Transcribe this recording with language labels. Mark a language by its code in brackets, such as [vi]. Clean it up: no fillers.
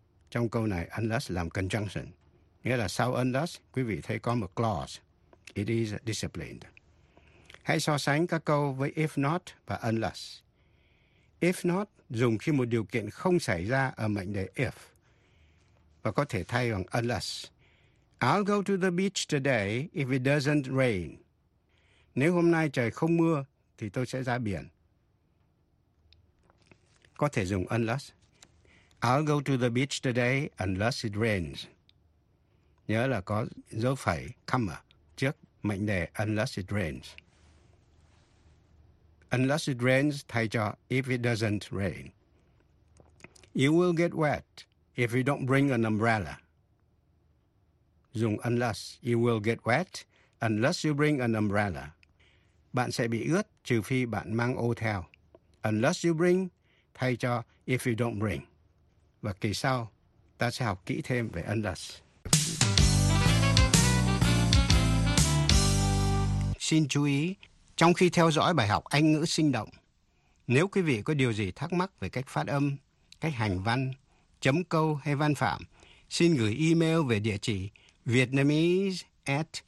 [vi] Trong câu này, unless làm conjunction. Nghĩa là sau unless, quý vị thấy có một clause. [en] It is disciplined. [vi] Hãy so sánh các câu với if not và unless. If not dùng khi một điều kiện không xảy ra ở mệnh đề if. Và có thể thay bằng unless. [en] I'll go to the beach today if it doesn't rain. [vi] Nếu hôm nay trời không mưa, thì tôi sẽ ra biển. Có thể dùng unless. [en] I'll go to the beach today unless it rains. [vi] Nhớ là có dấu phẩy comma trước mệnh đề [en] unless it rains. Unless it rains [vi] thay cho [en] if it doesn't rain. You will get wet if you don't bring an umbrella. [vi] Dùng [en] unless. You will get wet unless you bring an umbrella. [vi] Bạn sẽ bị ướt trừ phi bạn mang ô theo. [en] Unless you bring [vi] thay cho [en] if you don't bring. [vi] Và kỳ sau, ta sẽ học kỹ thêm về unless. Xin chú ý, trong khi theo dõi bài học Anh ngữ sinh động, nếu quý vị có điều gì thắc mắc về cách phát âm, cách hành văn, chấm câu hay văn phạm, xin gửi email về địa chỉ vietnamese at